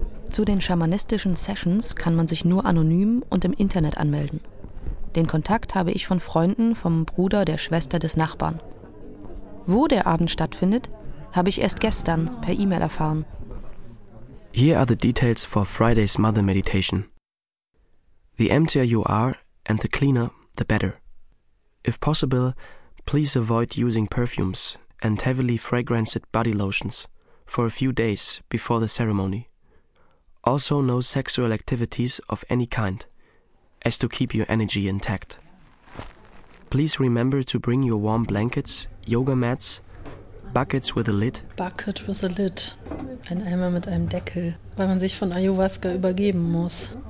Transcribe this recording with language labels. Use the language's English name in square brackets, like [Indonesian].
[German] Zu den schamanistischen Sessions kann man sich nur anonym und im Internet anmelden. Den Kontakt habe ich von Freunden, vom Bruder, der Schwester des Nachbarn. Wo der Abend stattfindet, habe ich erst gestern per E-Mail erfahren. [English] Here are the details for Friday's Mother Meditation. The emptier you are and the cleaner, the better. If possible, please avoid using perfumes and heavily fragranced body lotions for a few days before the ceremony. Also no sexual activities of any kind, as to keep your energy intact. Please remember to bring your warm blankets, yoga mats, buckets with a lid. Bucket with a lid. [German] Ein Eimer mit einem Deckel, weil man sich von Ayahuasca übergeben muss.